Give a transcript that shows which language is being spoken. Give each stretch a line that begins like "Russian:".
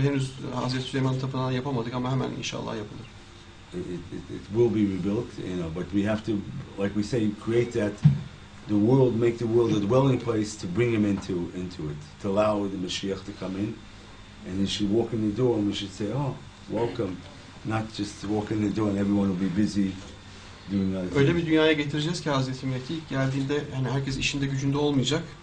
Turkish: Henüz Hazreti Süleyman Tapınağı'nı yapamadık ama hemen inşallah yapılır.
English: It will be rebuilt, you know, but we have to, like we say, create that, the world, make the world a dwelling place to bring him into it, to allow the Mashiach to come in. And then she walk in the door and we should say, oh, welcome. Not just walk in the door and everyone will be busy doing other things.
Turkish: Öyle bir dünyaya getireceğiz ki Hazreti Mekke ilk geldiğinde yani herkes işinde gücünde olmayacak.